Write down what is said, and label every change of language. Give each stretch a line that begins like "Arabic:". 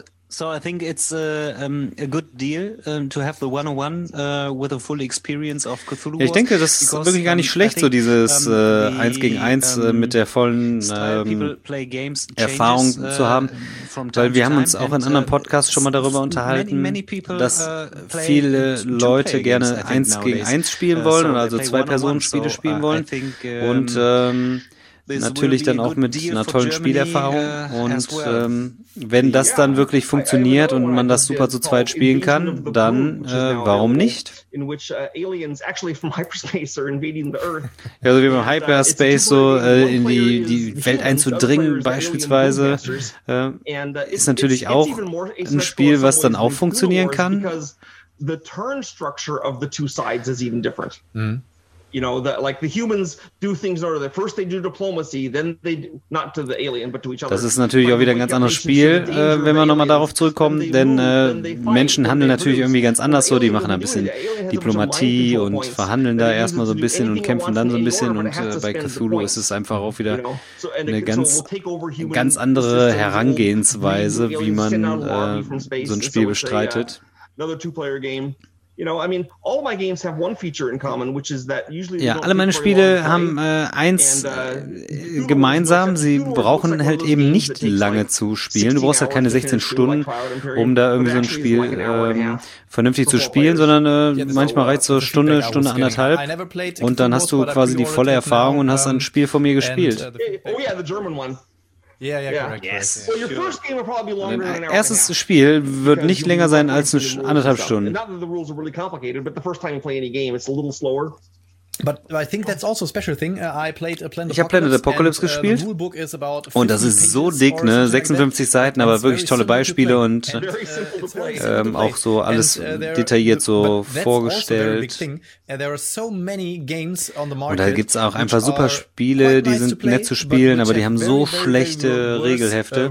English: So I think it's a good deal to have the 101 with a full experience of Cthulhu Wars.
German: Ja, ich denke, das ist wirklich gar nicht schlecht, so dieses 1 gegen 1 mit der vollen Erfahrung zu haben, weil wir haben uns auch in anderen Podcasts schon mal darüber unterhalten, dass viele Leute gerne 1 gegen 1 spielen wollen, also Zwei-Personen-Spiele spielen wollen und natürlich dann auch mit einer tollen Spielerfahrung und wenn das dann wirklich funktioniert und man das super zu zweit spielen kann, dann warum nicht? Also wie beim Hyperspace so in die Welt einzudringen beispielsweise ist natürlich auch ein Spiel, was dann auch funktionieren kann.
English: The turn structure of the two sides is even different. You know, that like the humans do things in order. That first they do diplomacy, then they do, not to the alien, but to each other.
German: Das ist natürlich auch wieder ein ganz anderes Spiel, wenn wir nochmal darauf zurückkommen, denn Menschen handeln natürlich irgendwie ganz anders so. Die machen ein bisschen Diplomatie und verhandeln da erstmal so ein bisschen und kämpfen dann so ein bisschen. Und bei Cthulhu ist es einfach auch wieder eine ganz andere Herangehensweise, wie man so ein Spiel bestreitet.
English: Another two-player game. You know, I mean, all my games have one feature in common, which is that usually.
German: Ja, alle meine Spiele haben eins gemeinsam. Sie brauchen halt eben nicht lange zu spielen. Du brauchst halt keine 16 Stunden, um da irgendwie so ein Spiel vernünftig zu spielen, sondern manchmal reicht so Stunde, anderthalb. Und dann hast du quasi die volle Erfahrung und hast ein Spiel von mir gespielt.
English: Oh yeah, the German one. Yeah, yeah, yeah. Correct. Yes. So your first game will probably be longer than an hour.
German: Erstes Spiel wird nicht länger sein als anderthalb Stunden.
English: Not that the rules are really complicated, but the first time you play any game, it's a little slower. But I think that's also a special thing. I played
German: Planet Apocalypse gespielt. Und das ist so dick, ne? 56 Seiten, aber wirklich tolle Beispiele und auch so alles detailliert so vorgestellt. Und da gibt es auch einfach super Spiele, die sind nett zu spielen, aber die haben so schlechte Regelhefte.